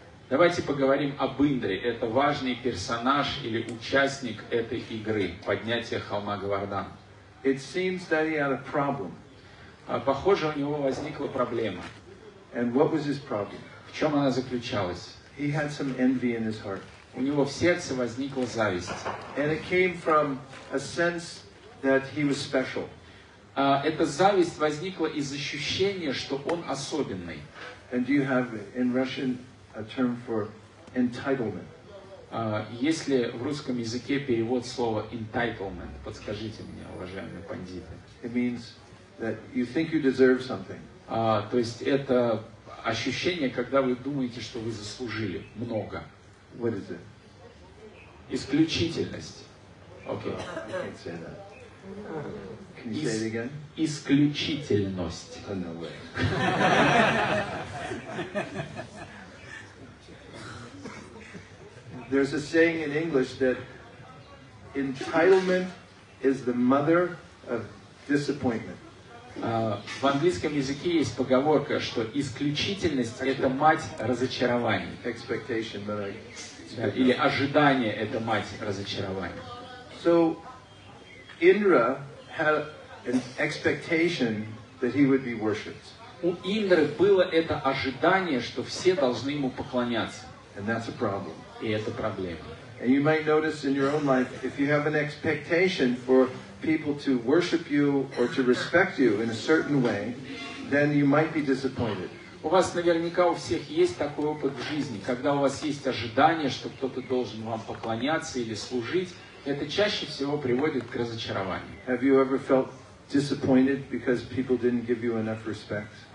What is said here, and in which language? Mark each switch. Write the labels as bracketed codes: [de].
[ru] Давайте поговорим об Индре. Это важный персонаж или участник этой игры, поднятия холма Говардхан. [en] It seems that he had a problem. [ru] Похоже, у него возникла проблема. [en] And what was his problem? [ru] В чем она заключалась? [en] He had some envy in his heart. [ru] У него в сердце возникла зависть. [en] And it came from a sense that he was special. [ru] Эта зависть возникла из ощущения, что он особенный. [en] And do you have in Russian a term for entitlement? [ru] Есть ли в русском языке перевод слова entitlement? Подскажите мне, уважаемые пандиты. [en] It means that you think you deserve something. [ru] То есть это ощущение, когда вы думаете, что вы заслужили много. [en] What is it? [ru] Исключительность. Okay. [en] You can't say that. Can you say it again? [ru] Исключительность. [en] Oh, no way. There's a saying in English that entitlement is the mother of disappointment. [ru] В английском языке есть поговорка, что исключительность – это мать разочарований. [en] Expectation, but I... [ru] Или ожидание – это мать разочарований. [en] So, Indra had an expectation that he would be worshipped. [ru] У Индры было это ожидание, что все должны ему поклоняться. [en] And that's a problem. [ru] И это проблема. [en] And you might notice in your own life, if you have an expectation for people to worship you or to respect you in a certain way, then you might be disappointed. [ru] У вас наверняка у всех есть такой опыт в жизни, когда у вас есть ожидание, что кто-то должен вам поклоняться или служить, это чаще всего приводит к разочарованию. [en] Have you ever felt disappointed because people didn't give you enough respect?